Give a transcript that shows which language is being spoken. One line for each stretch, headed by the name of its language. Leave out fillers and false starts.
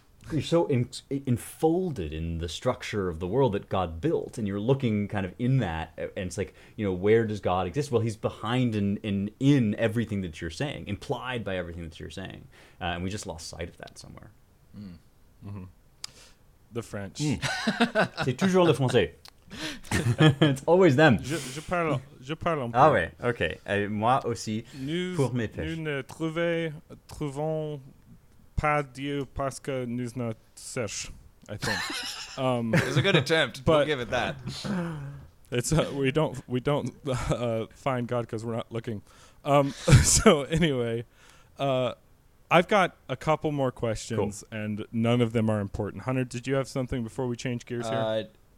English: you're so enfolded in the structure of the world that God built, and you're looking kind of in that, and it's like, you know, where does God exist? Well, he's behind and in everything that you're saying, implied by everything that you're saying, and we just lost sight of that somewhere. The French.
French: C'est toujours le français.
English: It's always them.
French: Je parle un peu. Ah ouais, ok. Et moi aussi, nous, pour mes pêches. Nous ne trouvons pas Dieu parce que nous ne cherchons,
English: I think. It's a good attempt, but we'll give it that. We don't find God because we're not looking. So anyway, I've got a couple more questions, cool. And none of them are important. Hunter, did you have something before we change gears here?